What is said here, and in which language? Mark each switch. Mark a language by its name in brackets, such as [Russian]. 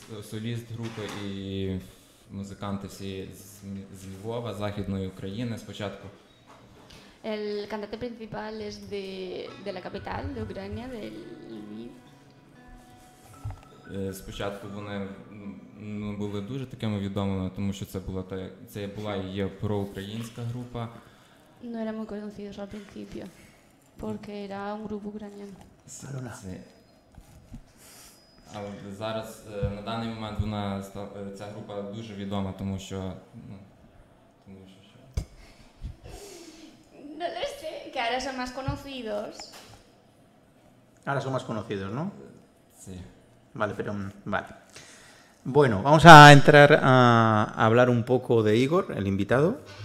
[Ukrainian] Соліст групи і музиканти всі з Львова, Західної України спочатку. [Spanish] El cantante principal es de la capital, de Ucrania, de Lviv. [Ukrainian] Спочатку вони були дуже такими відомими, тому що це була і є проукраїнська група. [Spanish] No era muy conocidos al principio, porque era un grupo ucraniano. Sí. [Ukrainian] Але зараз, на даний момент, вона ця група дуже відома, тому що, [Spanish] No lo sé, que ahora son más conocidos. Ahora son más conocidos, ¿no? Sí. Vale, pero, vale. Bueno, vamos a entrar a hablar un poco de Igor, el invitado.